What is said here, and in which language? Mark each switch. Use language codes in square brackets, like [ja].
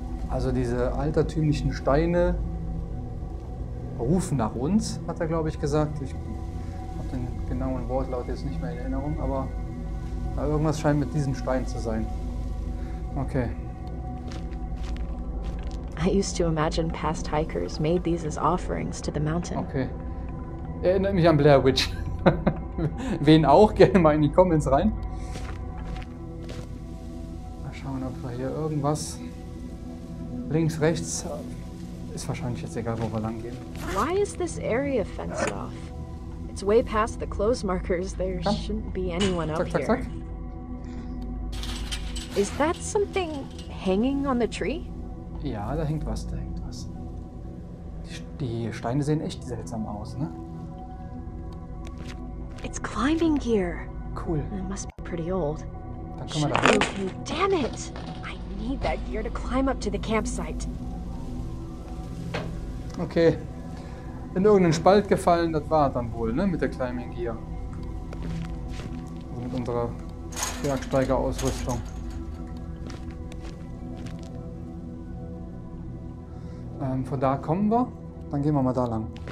[de] Also diese altertümlichen Steine rufen nach uns, hat er, glaube ich, gesagt. Ich habe den genauen Wortlaut jetzt nicht mehr in Erinnerung, aber irgendwas scheint mit diesen Steinen zu sein. Okay. [en] I used to imagine past hikers made these as offerings to the mountain. [de] Okay. Erinnert mich an Blair Witch. Wen auch, gerne mal in die Comments rein. Mal schauen, ob wir hier irgendwas... Links, rechts... Ist wahrscheinlich jetzt egal, wo wir lang gehen. [en] Why is this area fenced off? It's way past the close markers. There shouldn't be anyone up here. Is that something hanging on the tree? [de] Ja, da hängt was, da hängt was. Die Steine sehen echt seltsam aus, ne? [en] It's climbing gear. Cool. It must be pretty old. [de] Dann kommen wir da hin. Okay, [en] damn it! I need that gear to climb up to the campsite. Okay. [de] In irgendeinen Spalt gefallen, das war dann wohl, ne? Mit der Climbing Gear. Also mit unserer Bergsteigerausrüstung. Von da kommen wir. Dann gehen wir mal da lang.